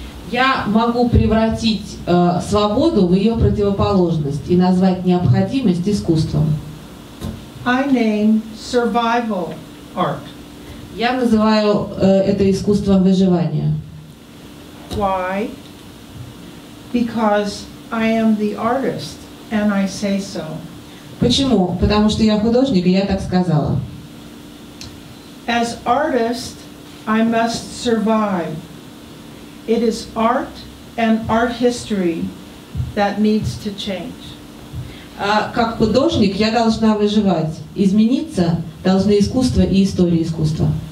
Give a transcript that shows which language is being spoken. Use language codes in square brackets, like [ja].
[ru] Я могу превратить свободу в ее противоположность и назвать необходимость искусством. [en] I name survival art. [ru] Я называю это искусством выживания. [en] Why? Because I am the artist and I say so. [ru] Почему? Потому что я художник, и я так сказала. [en] As artist, I must survive. It is art and art history that needs to change. [ru] Как художник, я должна выживать. Измениться должны искусство и история искусства.